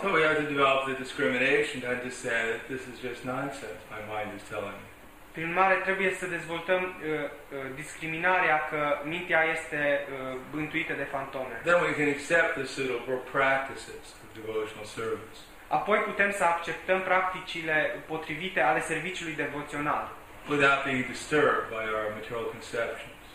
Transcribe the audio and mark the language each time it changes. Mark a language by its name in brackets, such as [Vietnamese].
[English] So we have to develop the discrimination to understand that this is just nonsense my mind is telling me. [Romanian] Prin urmare trebuie să dezvoltăm discriminarea că mintea este bântuită de fantome. [English] Then we can accept the suitable practices of devotional service. [Romanian] Apoi putem să acceptăm practicile potrivite ale serviciului devoțional. [English] Without being disturbed by our material conceptions.